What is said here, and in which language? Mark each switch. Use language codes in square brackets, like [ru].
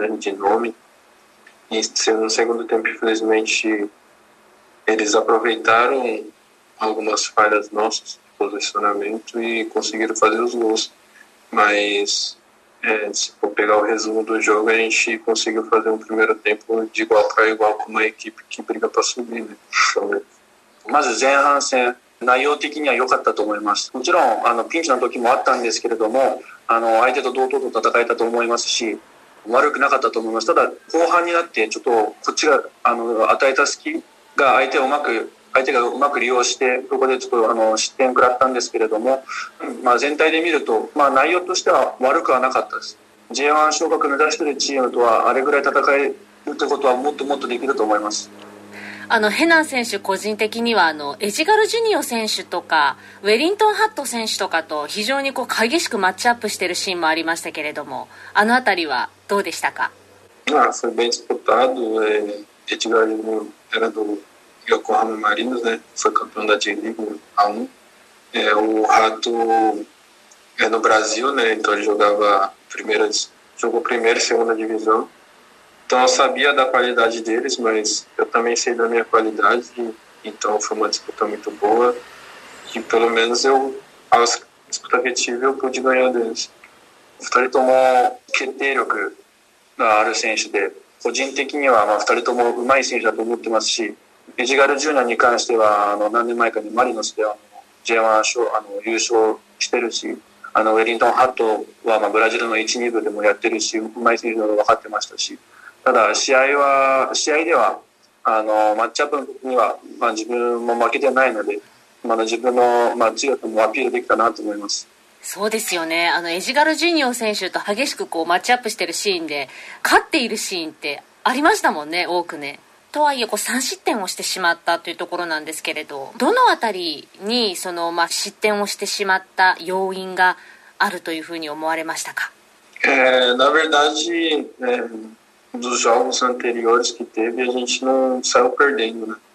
[pt] No segundo tempo, infelizmente, eles aproveitaram algumas falhas nossas de posicionamento e conseguiram fazer os gols. Mas, se for pegar o resumo do jogo, a gente conseguiu fazer um primeiro tempo de igual para igual com uma equipe que briga para subir, né? Mas, [ja] 前半戦、内容的には良かったと思います。もちろん、ピンチの時もあったんですけれども、相手と同等と戦えたと思いますし、悪くなかったと思います。ただ後半になってちょっとこっちが与えた隙が相手がうまく利用して、ここでちょっと失点食らったんですけれども、まあ、全体で見ると、まあ、内容としては悪くはなかったです。 J1 昇格目指しているチームとはあれぐらい戦えるということはもっともっとできると思います。ヘナン選手、個人的にはエジガルジュニオ選手とかウェリントンハット選手とかと非常にこう激しくマッチアップしているシーンもありましたけれども、あのあたりはどうでしたか？ [pt] エジガルジュニオ era do Yokohama Marinos, né? Foi campeão da J-League A1. o Rato é no Brasil, né? Então ele jogava primeira e segunda divisão. Então eu sabia da qualidade deles, mas eu também sei da minha qualidade. Então foi uma disputa muito boa. E pelo menos eu, a disputa que tive, eu pude ganhar deles. O Futari tomou critério [ja] のある選手で、個人的には、まあ、二人とも上手い選手だと思ってますし、エジガル・ジュニアに関しては、あの、何年前かにマリノスで、J1 賞、あの、優勝してるし、あの、ウェリントン・ハットは、まあ、ブラジルの1、2部でもやってるし、上手い選手だと分かってましたし、ただ、試合では、あの、マッチアップには、まあ、自分も負けてないので、まだ自分の、まあ、強さもアピールできたなと思います。そうですよね。あのエジガルジュニオ選手と激しくこうマッチアップしてるシーンで勝っているシーンってありましたもんね、多くね。とはいえこう3失点をしてしまったというところなんですけれど、どのあたりにそのまあ失点をしてしまった要因があるというふうに思われましたか？ [pt] Na verdade, né, dos jogos anteriores que teve, a gente não saiu perdendo, né?